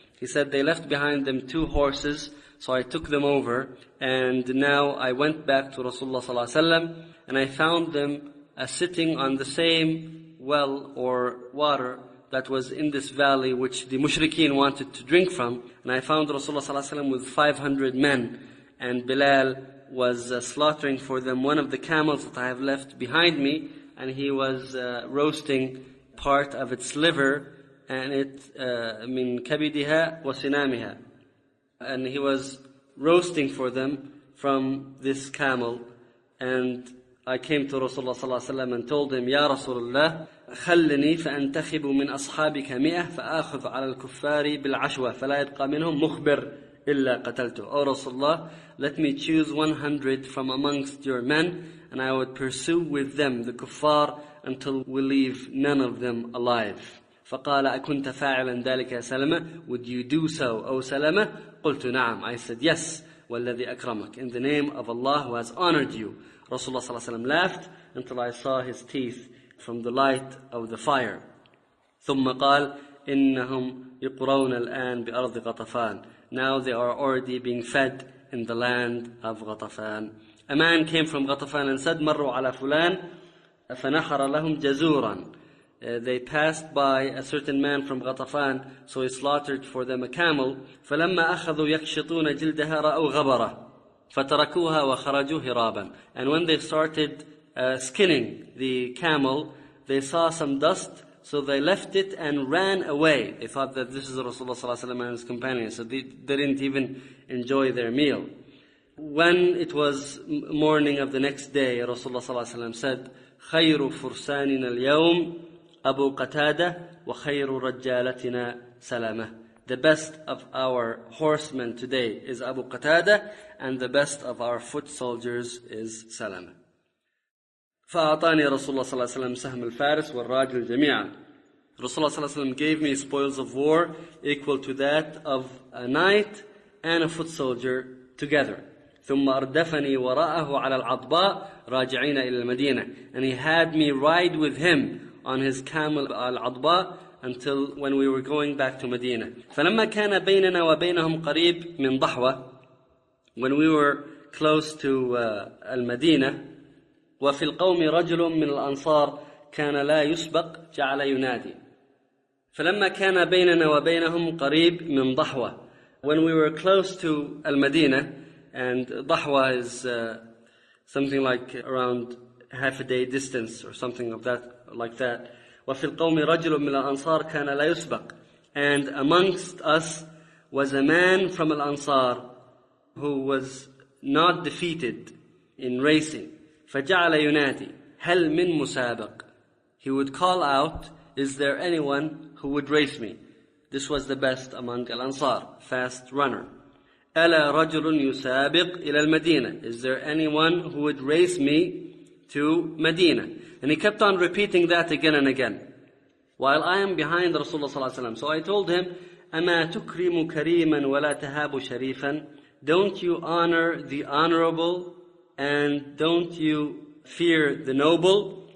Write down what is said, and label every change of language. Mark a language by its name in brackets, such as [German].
[English] He said, they left behind them two horses, so I took them over, and now I went back to Rasulullah [Arabic] صلى الله عليه وسلم, [English] and I found them sitting on the same well or water that was in this valley which the mushrikeen wanted to drink from. And I found Rasulullah صلى الله عليه وسلم with 500 men, and Bilal was slaughtering for them one of the camels that I have left behind me, and he was roasting part of its liver, and it [Arabic] من كبدها وسنامها, [English] and he was roasting for them from this camel, and I came to Rasulullah sallallahu alayhi wa sallam and told him, Ya Rasulullah, [Arabic] خلني فأنتخب من أصحابك مئة فأخذ على الكفار بالعشوة فلا يبقى منهم مخبر إلا قتلته. [English] Oh Rasulullah, let me choose 100 from amongst your men and I would pursue with them the kuffar until we leave none of them alive. [Arabic] فقال أكنت فاعلا ذلك يا سلمة؟ [English] Would you do so, O [Arabic] سلمة؟ قلت نعم. [English] I said yes. [Arabic] والذي أكرمك. [English] In the name of Allah who has honored you. Rasulullah sallallahu alayhi wa sallam laughed until I saw his teeth from the light of the fire. [Arabic] ثم قال إنهم يقرون الآن بأرض غطفان. [English] Now they are already being fed in the land of غطفان. A man came from غطفان and said [Arabic] مروا على فلان فنحر لهم جزورا. [English] They passed by a certain man from غطفان, so he slaughtered for them a camel. [Arabic] فلما أخذوا يكشطون جلدها رأوا غبرة فتركوها وخرجوا هرابا. [English] And when they started skinning the camel, they saw some dust, so they left it and ran away. They thought that this is Rasulullah sallallahu alaihi wasallam and his companions, so they didn't even enjoy their meal. When it was morning of the next day, Rasulullah sallallahu alaihi wasallam said, [Arabic] خير فرساننا اليوم أبو قتادة وخير رجالتنا سلامة. [English] The best of our horsemen today is Abu Qatada, and the best of our foot soldiers is Salama. [Arabic] فأعطاني رسول الله صلى الله عليه وسلم سهم الفارس والراجل جميعا. [English] رسول الله [Arabic] صلى الله عليه وسلم [English] gave me spoils of war equal to that of a knight and a foot soldier together. [Arabic] ثم أردفني وراءه على العطباء راجعين إلى المدينة. [English] And he had me ride with him on his camel العطباء until when we were going back to Medina. [Arabic] فلما كان بيننا وبينهم قريب من ضحوة, [English] when we were close to [Arabic] المدينة, وفي القوم رجل من الأنصار كان لا يسبق جعل ينادي. فلما كان بيننا وبينهم قريب من ضحوة, [English] when we were close to المدينة, and ضحوة is something like around half a day distance or something of that like that. [Arabic] وفي القوم رجل من الأنصار كان لا يسبق. [English] And amongst us was a man from الأنصار who was not defeated in racing. [Arabic] فجعل ينادي هل من مسابق. [English] He would call out, is there anyone who would race me? This was the best among الأنصار, fast runner. [Arabic] ألا رجل يسابق إلى المدينة. [English] Is there anyone who would race me to Medina? And he kept on repeating that again and again. While I am behind Rasulullah sallallahu alayhi wa sallam. So I told him, [Arabic] أَمَا تُكْرِمُ كَرِيمًا وَلَا تَهَابُ شَرِيفًا. [English] Don't you honor the honorable and don't you fear the noble?